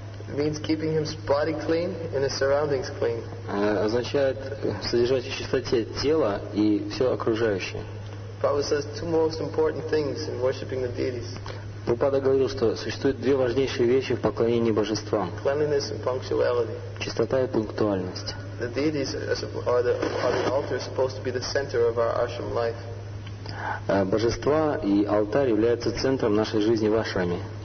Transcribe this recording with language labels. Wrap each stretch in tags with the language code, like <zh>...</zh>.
<en>It means keeping his body clean and his surroundings clean.</en> <ru>Означает содержать в чистоте тело и все окружающее.</ru> <en>Prabhupada says two most important things in worshipping the deities.</en> <ru>Prabhupada говорил, что существует две важнейшие вещи в поклонении божествам.</ru> <en>Cleanliness and punctuality.</en> <ru>Чистота и пунктуальность.</ru> <en>The deities are the altar supposed to be the center of our ashram life.</en> <ru>Божества и алтарь являются центром нашей жизни в ашраме.</ru>